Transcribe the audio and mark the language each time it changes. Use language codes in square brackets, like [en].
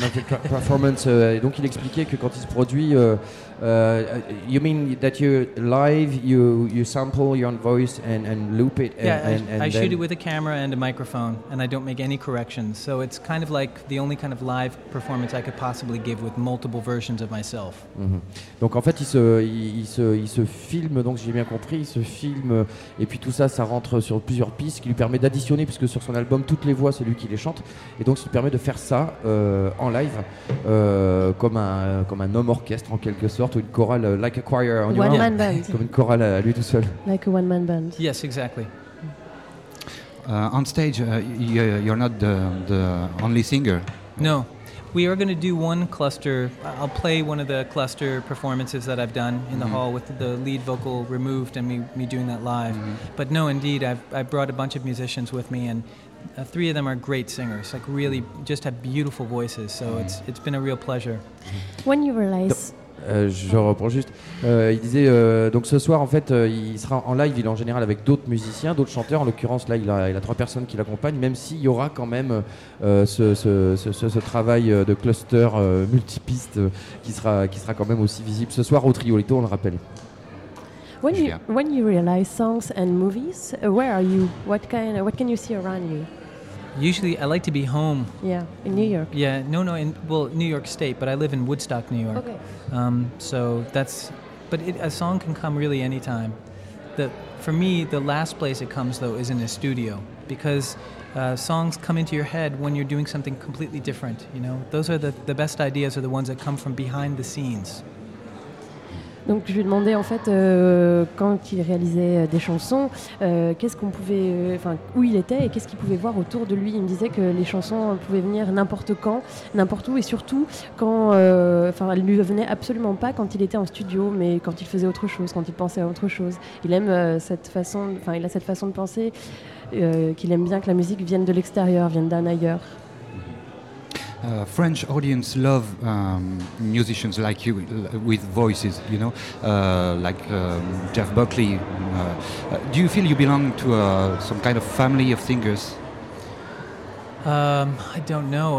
[en] Multitrack performance. [fr] Et donc il expliquait que quand il se produit, [en] you mean that you live, you sample your own voice and loop it. I shoot it with a camera and a microphone, and I don't make any corrections. So it's kind of like the only kind of live performance I could possibly give with multiple versions of myself. [fr] Mm-hmm. Donc en fait, il se filme. Donc j'ai bien compris, il se filme. Et puis tout ça rentre sur plusieurs pistes qui lui permet d'additionner puisque sur son album toutes les voix c'est lui qui les chante et donc ça lui permet de faire ça en live comme un homme orchestre en quelque sorte ou une chorale [en] like a choir on one man band. [fr] Comme une chorale à lui tout seul [en] like a one man band. Yes, exactly. On stage you're not the only singer. No, we are going to do one cluster. I'll play one of the cluster performances that I've done in mm-hmm. the hall with the lead vocal removed and me doing that live. Mm-hmm. But no, indeed, I've brought a bunch of musicians with me, and three of them are great singers, like really just have beautiful voices. So mm-hmm. it's been a real pleasure. When you realize... [fr] Je reprends juste. Il disait donc ce soir en fait il sera en live, il est en général avec d'autres musiciens, d'autres chanteurs. En l'occurrence là il a trois personnes qui l'accompagnent, même s'il y aura quand même ce travail de cluster multipiste qui sera quand même aussi visible ce soir au Triolito, on le rappelle. [en] When you realize songs and movies, where are you? What can you see around you? Usually, I like to be home. Yeah, in New York. Yeah, no, New York State, but I live in Woodstock, New York. Okay. A song can come really anytime. For me, the last place it comes, though, is in a studio, because songs come into your head when you're doing something completely different, you know? Those are the best ideas are the ones that come from behind the scenes. [fr] Donc je lui ai demandé en fait quand il réalisait des chansons, qu'est-ce qu'on pouvait, enfin où il était et qu'est-ce qu'il pouvait voir autour de lui. Il me disait que les chansons pouvaient venir n'importe quand, n'importe où, et surtout quand, enfin elles lui venaient absolument pas quand il était en studio, mais quand il faisait autre chose, quand il pensait à autre chose. Il aime cette façon, enfin il a cette façon de penser qu'il aime bien que la musique vienne de l'extérieur, vienne d'un ailleurs. [en] French audience love musicians like you with voices, you know, like Jeff Buckley. Do you feel you belong to some kind of family of singers? I don't know.